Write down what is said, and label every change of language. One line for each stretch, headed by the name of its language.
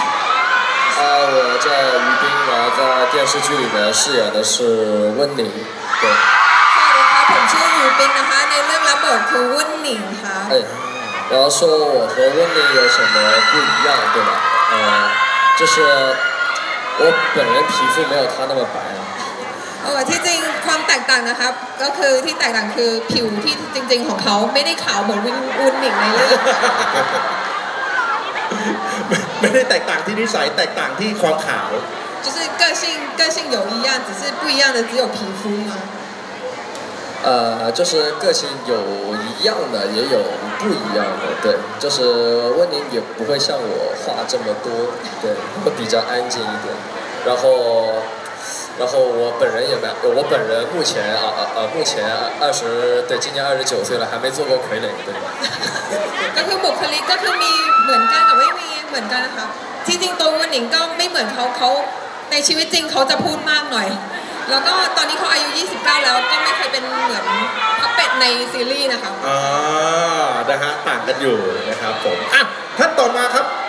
Chinese: 我叫于斌，然后在电视剧里面饰演的是温宁。对。好的，他统称于斌的哈，那那版本是温宁哈。哎，然后说我和温宁有什么不一样，对吧？就是我本人皮肤没有他那么白啊。
Thai: 哦，ที่จริงความแตกต่างนะครับก็คือที่แตกต่างคือผิวที่จริงๆของเขาไม่ได้ขาวเหมือนวุ้นหนิงในเรื่อง ไม่ได้แตกต่างที่นิสัยแตกต่างที่ความขาว
Chinese: 就是个性有一样只是不一样的只有皮肤吗就是个性有一样的也有不一样的对就是温宁也不会像我话这么多对会比较安静一点然后我本人也没有我本人目前目前二十对今年二十九岁了还没做过傀儡对吧
Thai: ก็คือบุคลิกก็คือมีเหมือนกันกับไม่มีเหมือนกันนะคะจริงๆตัววันหนิงก็ไม่เหมือนเขาในชีวิตจริงเขาจะพูดมากหน่อยแล้วก็ตอนนี้เขาอายุ29แล้วก็ไม่เคยเป็นเหมือนพระเป็ดในซีรีส์นะคะ นะฮะต่างกันอยู่นะครับผมอ่ะท่านต่อมาครับ